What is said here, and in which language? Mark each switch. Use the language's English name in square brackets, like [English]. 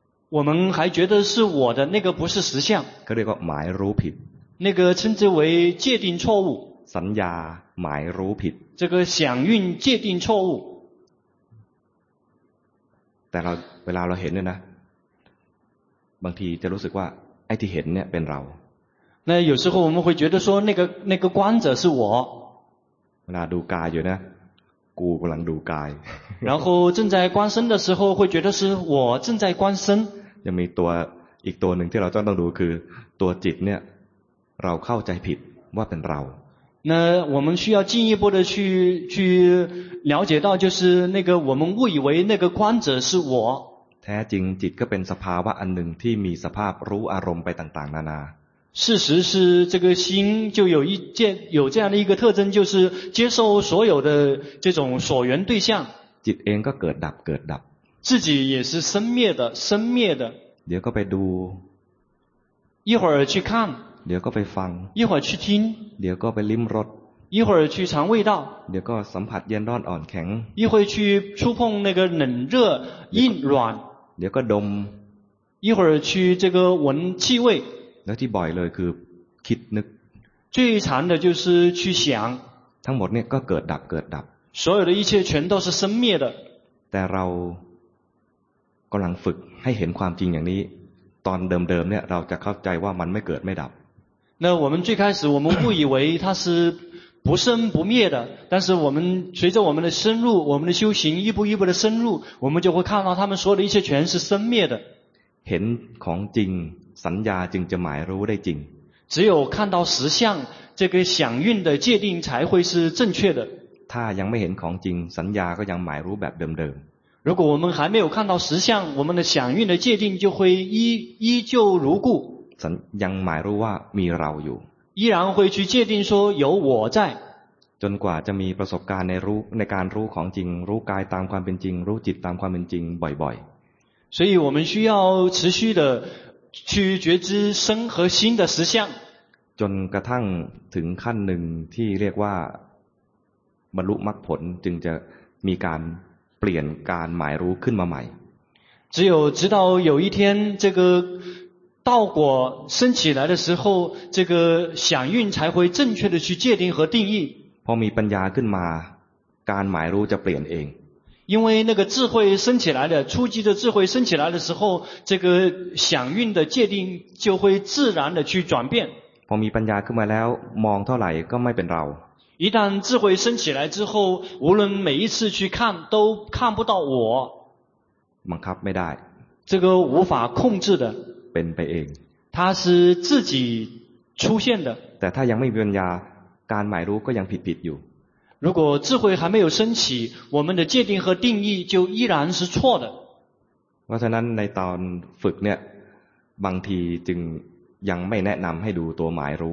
[Chinese] 我们还觉得是我的那个不是实相 [Thai] เขาเรียกว่าหมายรู้ผิด [Chinese] 那个称之为界定错误 [Thai] สัญญาหมายรู้ผิด [Chinese] 这个想运界定错误 [Thai] แต่เวลาเราเห็นเนี่ยนะบางทีจะรู้สึกว่าไอ้ที่เห็นเนี่ยเป็นเรา [Chinese] 那有时候我们会觉得说那个观者是我 [Thai] เวลาดูกายอยู่นะกูกำลังดูกาย [Chinese] 然后正在观身的时候会觉得是我正在观身 [Thai] ยังมีตัวอีกตัวหนึ่งที่เราต้องดูคือตัวจิตเนี่ย เราเข้าใจผิดว่าเป็นเรา [Chinese] 那我们需要进一步的去了解到就是那个我们误以为那个观者是我 [Thai] แท้จริงจิตก็เป็นสภาวะอันหนึ่งที่มีสภาพรู้อารมณ์ไปต่างๆนานา [Chinese] 事实是这个心就有一件有这样的一个特征就是接受所有的这种所缘对象 [Thai] จิตเองก็เกิดดับเกิดดับ [Chinese] 自己也是生灭的生灭的 [Thai] เดี๋ยวก็ไปดู [Chinese] 一会儿去看 [Thai] เดี๋ยวก็ไปฟัง [Chinese] 一会儿去听 [Thai] เดี๋ยวก็ไปลิ้มรส [Chinese] 一会儿去尝味道 [Thai] เดี๋ยวก็สัมผัสเย็นร้อนอ่อนแข็ง [Chinese] 一会儿去触碰那个冷热硬软 [Thai] เดี๋ยวก็ดม [Chinese] 一会儿去这个闻气味 [Thai] แล้วที่บ่อยเลยคือคิดนึก [Chinese] 最常的就是去想 [Thai] ทั้งหมดเนี่ยก็เกิดดับเกิดดับ [Chinese] 所有的一切全都是生灭的 [Thai] แต่เรากำลังฝึกให้เห็นความจริงอย่างนี้ตอนเดิมๆเนี่ยเราจะเข้าใจว่ามันไม่เกิดไม่ดับ [Chinese] 那我们最开始我们误以为它是不生不灭的但是我们随着我们的深入我们的修行一步一步的深入我们就会看到他们所有的一切全是生灭的 [Thai] เห็นของจริงสัญญาจึงจะหมายรู้ได้จริง [Chinese] 只有看到实相这个想运的界定才会是正确的 [Thai] ถ้ายังไม่เห็นของจริงสัญญาก็ยังหมายรู้แบบเดิมๆ [Chinese] 如果我们还没有看到实相我们的想运的界定就会依旧如故 [Thai] ยังหมายรู้ว่ามีเราอยู่ [Chinese] 依然会去界定说有我在 [Thai] จนกว่าจะมีประสบการณ์ในรู้ในการรู้ของจริงรู้กายตามความเป็นจริงรู้จิตตามความเป็นจริงบ่อย [Chinese] ๆ所以我们需要持续的去觉知身和心的实相 [Thai] จนกระทั่งถึงขั้นหนึ่งที่เรียกว่าบรรลุมรรคผลจึงจะมีการเปลี่ยนการหมายรู้ขึ้นมาใหม่ [Chinese] 只有直到有一天这个道果升起来的时候这个想运才会正确的去界定和定义 [Thai] พอมีปัญญาขึ้นมาการหมายรู้จะเปลี่ยนเอง [Chinese] 因为那个智慧升起来的初级的智慧升起来的时候这个想运的界定就会自然的去转变 [Thai] พอมีปัญญาขึ้นมาแล้วมองเท่าไหร่ก็ไม่เป็นเรา [Chinese] 一旦智慧升起来之后无论每一次去看都看不到我 [Thai] บังคับไม่ได้ [Chinese] 这个无法控制的 [Thai] เป็นไปเอง [Chinese] 它是自己出现的 [Thai] แต่ถ้ายังไม่มีปัญญาการหมายรู้ก็ยังผิดอยู่ [Chinese] 如果智慧还没有升起我们的界定和定义就依然是错的 [Thai] เพราะฉะนั้นในตอนฝึกเนี่ยบางทีจึงยังไม่แนะนำให้ดูตัวหมายรู